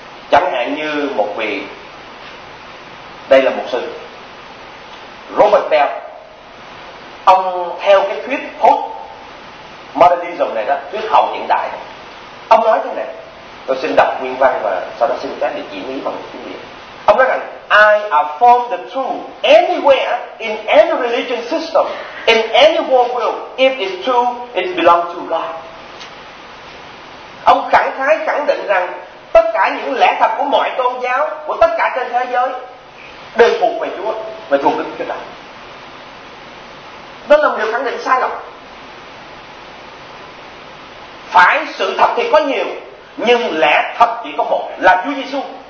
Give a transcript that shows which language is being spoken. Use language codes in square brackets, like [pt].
[vi] Chẳng hạn như một vị, đây là một sư Robert Bell, ông theo cái thuyết postmodernism này đó, thuyết hậu hiện đại, ông nói thế này, tôi xin đọc nguyên văn và sau đó xin các địa chỉ lý bằng tiếng Việt. Ông nói rằng [en] I affirm the truth anywhere in any religion system, in any worldview, if it's true, it belongs to God. [vi] Ông khẳng khái khẳng định rằng tất cả những lẽ thật của mọi tôn giáo, của tất cả trên thế giới đều thuộc về Chúa, về thuộc Đức Chúa Trời. Đó là một điều khẳng định sai lầm. Phải, sự thật thì có nhiều, nhưng lẽ thật chỉ có một, là Chúa Giê-xu.